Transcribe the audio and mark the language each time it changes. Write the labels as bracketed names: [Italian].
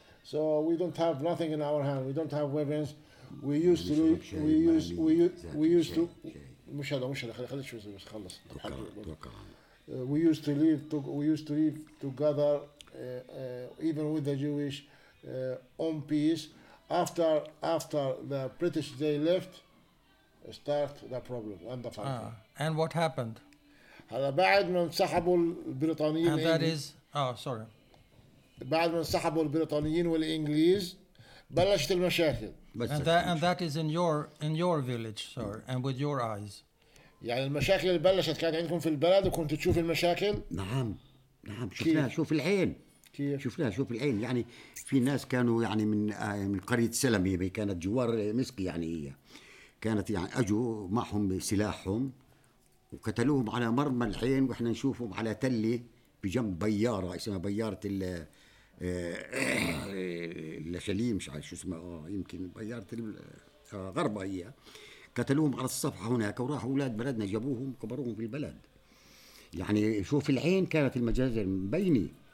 [English] So we don't have nothing in our hand. We don't have weapons. We used to leave together, even with the Jewish, on peace. After the British they left, start the problem and the fight. And what happened? [Arabic] هذا بعد من سحبوا البريطانيين. [English] And that is, [Arabic] بعد من سحبوا البريطانيين والإنجليز بلشت المشاكل. [English] And that is in your village, sir, and with your eyes. [Arabic] يعني المشاكل اللي بلشت كانت عندكم في البلد وكنت تشوف المشاكل. نعم شوف العين. شوف العين يعني في ناس كانوا يعني من قرية سلمي كانت جوار مسكي يعني هي كانت يعني أجوا معهم بسلاحهم وقتلوهم على مرمى العين وإحنا نشوفهم على تلة بجنب بيارة اسمها بيارة الشليم مش عارف شو اسمها يمكن بيارة الغربة هي قتلوهم على الصفحة هناك وراحوا أولاد بلدنا جابوهم وقبروهم في البلد يعني شوف العين كانت المجازر مبينة.